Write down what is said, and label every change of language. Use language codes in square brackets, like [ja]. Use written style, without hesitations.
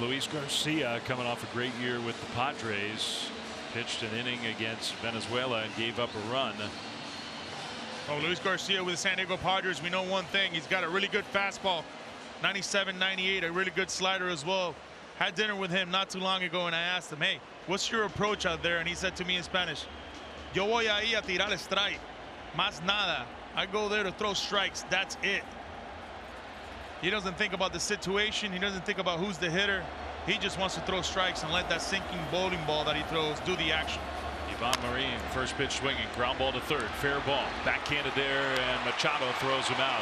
[en] Luis Garcia, coming off a great year with the Padres, pitched an inning against Venezuela and gave up a run. Oh, Luis Garcia with the San Diego Padres. We know one thing. He's got a really good fastball, 97, 98, a really good slider as well. Had dinner with him not too long ago, and I asked him, hey, what's your approach out there? And he said to me in Spanish, [es] yo voy ahí a tirar strike, más nada. [en] I go there to throw strikes. That's it. He doesn't think about the situation. He doesn't think about who's the hitter. He just wants to throw strikes and let that sinking bowling ball that he throws do the action. Yvonne Marine, first pitch swinging, ground ball to third, fair ball. Backhanded there, and Machado throws him out.